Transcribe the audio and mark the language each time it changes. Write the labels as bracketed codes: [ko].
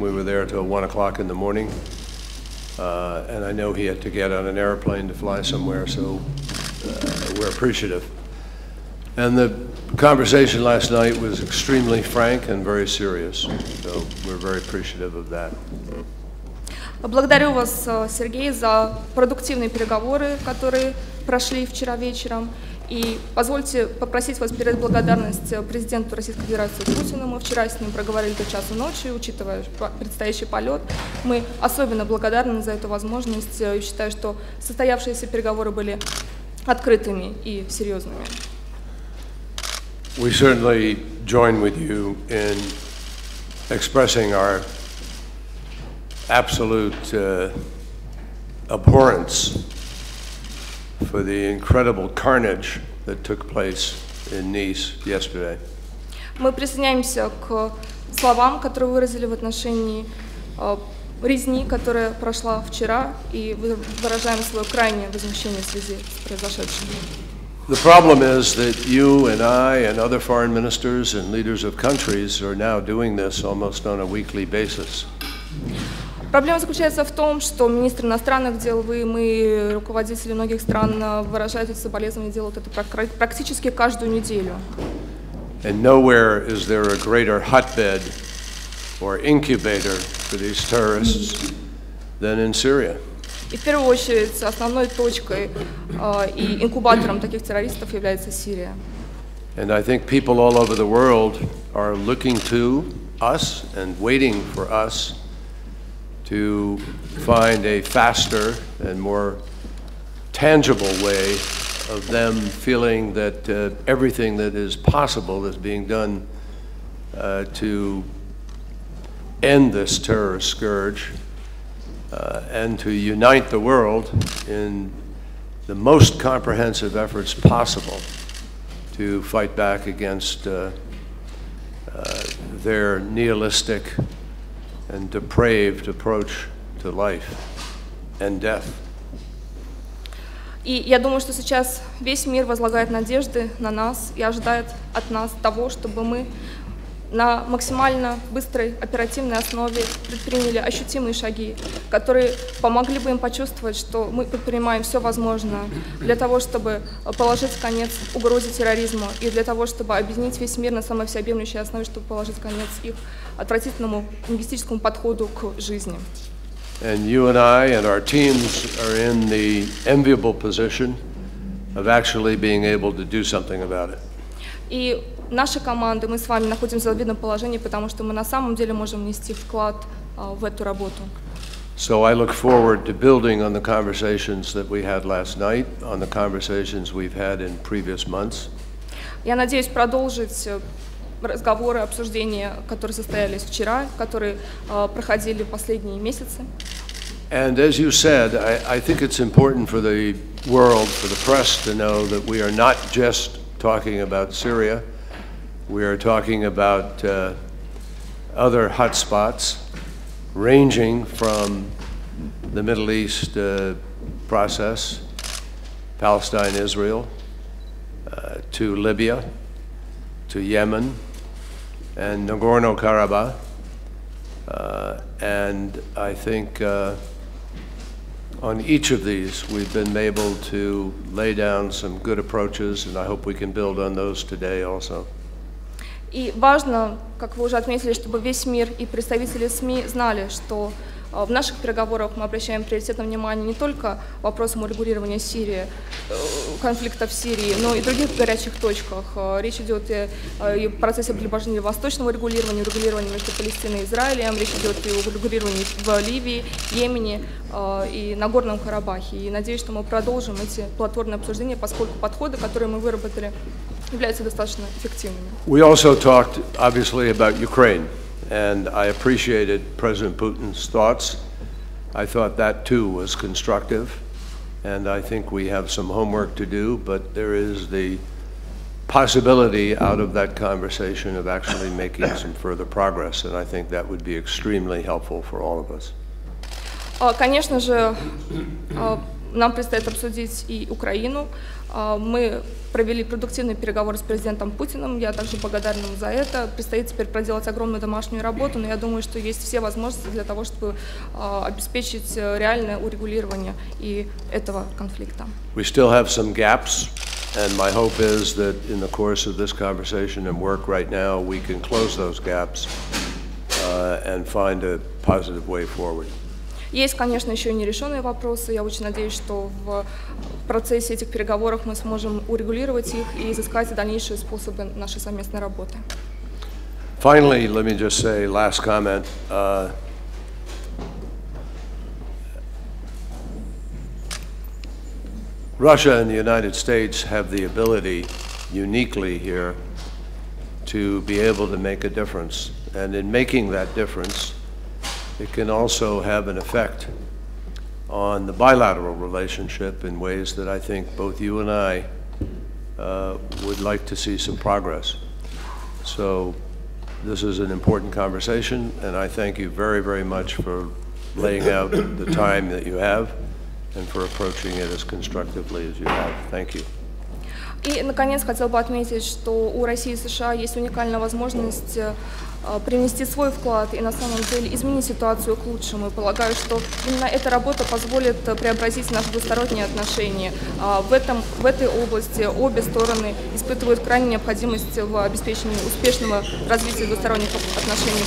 [en] We were there till 1 o'clock in the morning, and I know he had to get on an airplane to fly somewhere, so we're appreciative. And the conversation last night was extremely frank and very serious, so we're very appreciative of that. [ru] Благодарю вас, Сергей, за продуктивные переговоры, которые прошли вчера вечером. И позвольте попросить вас передать благодарность президенту Российской Федерации Путину. Мы вчера с ним проговорили до часу ночи, учитывая предстоящий полет. Мы особенно благодарны за эту возможность и считаю, что состоявшиеся переговоры были открытыми и серьезными. [en] We certainly join with you in expressing our absolute abhorrence for the incredible carnage that took place in Nice yesterday. [ru] Мы присоединяемся к словам, которые выразили в отношении резни, которая прошла вчера, и выражаем свое крайнее возмущение в связи с произошедшим. [en] The problem is that you and I and other foreign ministers and leaders of countries are now doing this almost on a weekly basis. [ru] Проблема заключается в том, что министры иностранных дел, вы, мы, руководители многих стран выражают эти соболезнования, делают это практически каждую неделю. [en] And nowhere is there a greater hotbed or incubator for these terrorists than in Syria. [ru] И в первую очередь основной точкой и инкубатором таких террористов является Сирия. [en] And I think people all over the world are looking to us and waiting for us to find a faster and more tangible way of them feeling that everything that is possible is being done to end this terrorist scourge and to unite the world in the most comprehensive efforts possible to fight back against their nihilistic and depraved approach to life and death. [ru] И я думаю, что сейчас весь мир возлагает надежды на нас и ожидает от нас того, чтобы мы на максимально быстрой оперативной основе предприняли ощутимые шаги, которые помогли бы им почувствовать, что мы предпринимаем все возможное для того, чтобы положить конец угрозе терроризму и для того, чтобы объединить весь мир на самой всеобъемлющей основе, чтобы положить конец их отвратительному лингвистическому подходу к жизни. [en] And you and I and our teams are in the enviable position of actually being able to do something about it. [ru] И наши команды, мы с вами находимся в завидном положении, потому что мы на самом деле можем внести вклад в эту работу. [en] So I look forward to building on the conversations that we had last night, on the conversations we've had in previous months. [ru] Я надеюсь продолжить разговоры, обсуждения, которые состоялись вчера, которые проходили последние месяцы. [en] And as you said, I think it's important for the world, for the press to know that we are not just talking about Syria, we are talking about other hotspots, ranging from the Middle East process, Palestine, Israel, to Libya, to Yemen, and Nagorno-Karabakh, and I think on each of these we've been able to lay down some good approaches, and I hope we can build on those today also. [ru] И важно, как вы уже отметили, чтобы весь мир и представители СМИ знали, что в наших переговорах мы обращаем приоритетное внимание не только вопросам урегулирования Сирии, конфликта в Сирии, но и других горячих точках. Речь идет и о процессе приближения восточного регулирования, урегулирования между Палестиной и Израилем, речь идет и о урегулировании в Ливии, Йемене и Нагорном Карабахе. И надеюсь, что мы продолжим эти плодотворные обсуждения, поскольку подходы, которые мы выработали, являются достаточно эффективными. [en] We also talked, obviously, about Ukraine. And I appreciated President Putin's thoughts. I thought that too was constructive. And I think we have some homework to do, but there is the possibility out of that conversation of actually making some further progress. And I think that would be extremely helpful for all of us. [ru] Конечно же, нам предстоит обсудить и Украину. Мы провели продуктивные переговоры с президентом Путиным, я также благодарна ему за это. Предстоит теперь проделать огромную домашнюю работу, но я думаю, что есть все возможности для того, чтобы обеспечить реальное урегулирование и этого конфликта. [en] We still have some gaps, and my hope is that in the course of this conversation and work right now, we can close those gaps and find a positive way forward. [ru] Есть, конечно, еще нерешенные вопросы. Я очень надеюсь, что в процессе этих переговоров мы сможем урегулировать их и изыскать дальнейшие способы нашей совместной работы. [en] Finally, let me just say last comment. Russia and the United States have the ability uniquely here to be able to make a difference. And in making that difference, it can also have an effect on the bilateral relationship in ways that I think both you and I would like to see some progress. So this is an important conversation, and I thank you very, very much for laying out the time that you have and for approaching it as constructively as you have. Thank you. [ru] И, наконец, хотел бы отметить, что у России и США есть уникальная возможность принести свой вклад и на самом деле изменить ситуацию к лучшему. И полагаю, что именно эта работа позволит преобразить наши двусторонние отношения. В этой области обе стороны испытывают крайнюю необходимость в обеспечении успешного развития двусторонних отношений.